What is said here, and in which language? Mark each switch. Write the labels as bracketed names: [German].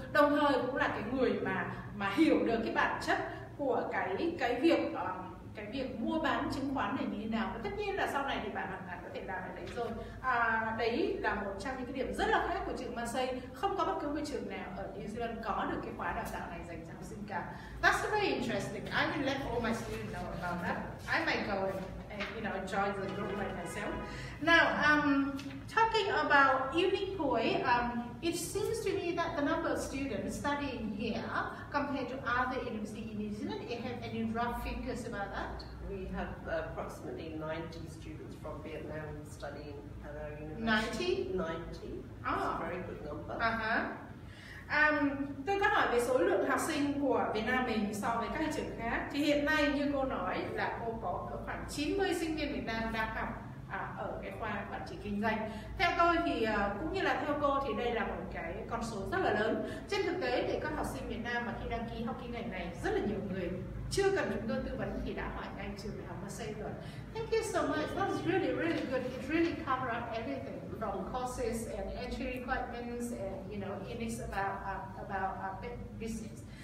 [Vietnamese] Đồng thời cũng là cái người mà hiểu được cái bản chất của cái việc mua bán chứng khoán này như thế nào. Và tất nhiên là sau này thì bạn hoàn toàn có thể làm ở đấy rồi. Đấy là một trong những cái điểm rất là khác của trường Marseille. Không có bất cứ một trường nào ở New Zealand có được cái khóa đào tạo này dành cho học sinh cả. [English] That's very interesting. I will let all my students know about that. I might go and, you know, join the group by myself. Now, talking about unique point, it seems to me that the number of students studying here compared to other universities in New Zealand, you have any rough figures about that? We have approximately 90 students from Vietnam studying at our university. 90? Oh. That's a very good number. [Vietnamese] Tôi có hỏi về số lượng học sinh của Việt Nam mình so với các trường khác. Thì hiện nay như cô nói là cô có khoảng 90 sinh viên Việt Nam đang học ở cái khoa quản trị kinh doanh. Theo tôi thì cũng như là theo cô thì đây là một cái con số rất là lớn. Trên thực tế thì các học sinh Việt Nam mà khi đăng ký học kinh ngành này, rất là nhiều người chưa cần chúng tôi tư vấn thì đã hỏi ngay trường đại học Marseille rồi. [English] Thank you so much. That's really really good. It really cover up everything from courses and entry requirements and, you know, it is about business.